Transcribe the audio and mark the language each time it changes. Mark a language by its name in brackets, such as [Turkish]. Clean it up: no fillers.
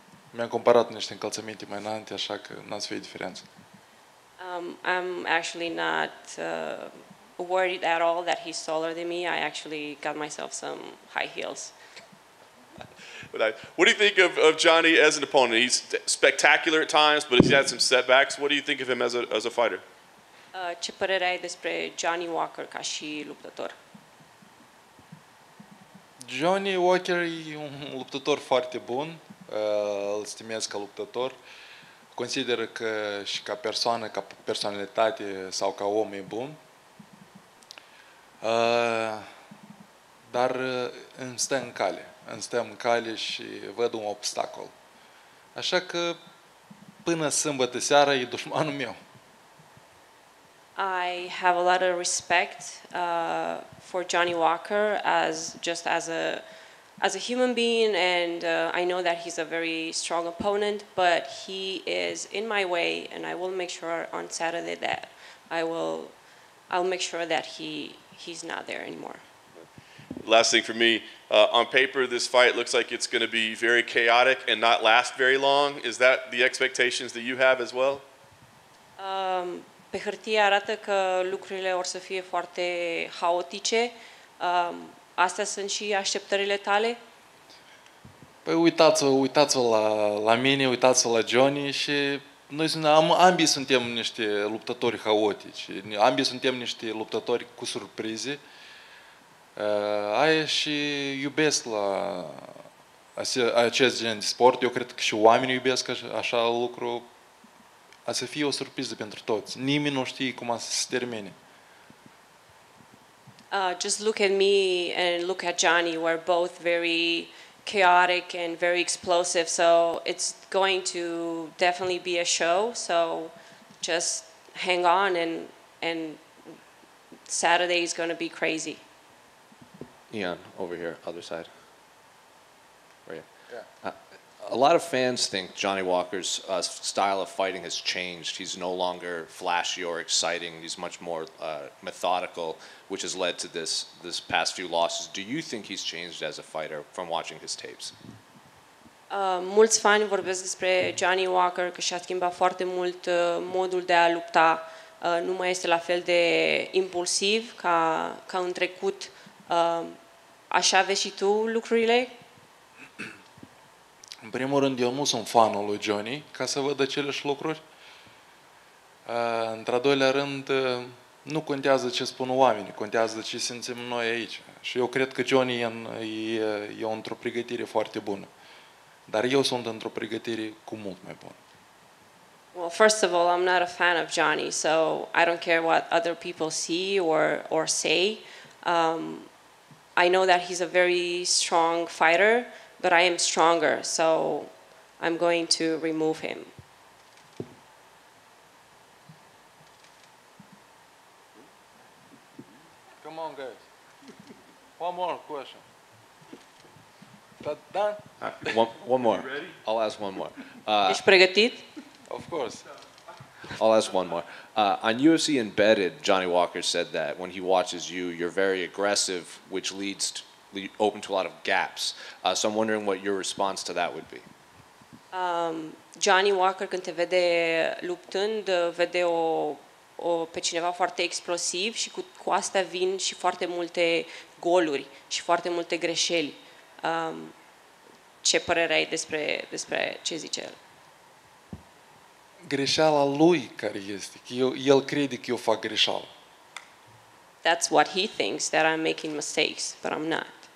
[Romanian] Mi-am comparat niște încălțăminte mai înainte, așa că n-ați fie diferență. [English] I'm actually not worried at all that he's taller than me. I actually got myself some high heels. What do you think of Johnny as an opponent? He's spectacular at times, but he's had some setbacks. What do you think of him as a fighter? [Romanian] Ce părere ai despre Johnny Walker ca și luptător? Johnny Walker e un luptător foarte bun. Îl stimez ca luptător. Consider că și ca persoană, ca personalitate sau ca om e bun. Dar îmi stă în cale. Îmi stă în cale și văd un obstacol. Așa că până sâmbătă seara e dușmanul meu. [English] I have a lot of respect for Johnny Walker as a human being, and I know that he's a very strong opponent, but he is in my way, and I will make sure on Saturday that I'll make sure that he's not there anymore. Last thing for me, on paper, this fight looks like it's going to be very chaotic and not last very long. Is that the expectations that you have as well? [Romanian] Pe hârtie arată că lucrurile or să fie foarte haotice. Astea sunt și așteptările tale? Păi uitați-vă la mine, uitați-vă la Johnny și noi ambii suntem niște luptători haotici. Ambii suntem niște luptători cu surprize. Aia și iubesc la acest gen de sport. Eu cred că și oamenii iubesc așa lucru. A să fie o surpriză pentru toți. Nimeni nu știe cum a să se termine. [English] Just look at me and look at Johnny. We're both very chaotic and very explosive. So it's going to definitely be a show. So just hang on and Saturday is going to be crazy. Ian, over here, other side. Where are you? A lot of fans think Johnny Walker's style of fighting has changed. He's no longer flashy or exciting. He's much more methodical, which has led to this past few losses. Do you think he's changed as a fighter from watching his tapes? [Romanian] Mulți fani vorbesc despre Johnny Walker că și-a schimbat foarte mult modul de a lupta. Nu mai este la fel de impulsiv ca în trecut. Așa vezi și tu lucrurile? În primul rând, eu nu sunt fanul lui Johnny, ca să văd aceleși lucruri. Într-a doilea rând, nu contează ce spun oamenii, contează ce simțim noi aici. Și eu cred că Johnny e într-o pregătire foarte bună. Dar eu sunt într-o pregătire cu mult mai bună. [English] Well, first of all, I'm not a fan of Johnny, so I don't care what other people see or say. I know that he's a very strong fighter, but I am stronger, so I'm going to remove him. Come on, guys. One more question. Done? One more. Ready? I'll ask one more. [Romanian] Ești pregătit? [English] Of course. I'll ask one more. On UFC Embedded, Johnny Walker said that when he watches you, you're very aggressive, which leads to, open to a lot of gaps. So I'm wondering what your response to that would be. [Romanian] Johnny Walker, când te vede luptând, vede o pe cineva foarte explosiv și cu asta vin și foarte multe goluri și foarte multe greșeli. Ce părere ai despre ce zice el? Greșeala lui care este, că el crede că eu fac greșeală. [English] That's what he thinks, that I'm making mistakes, but I'm not.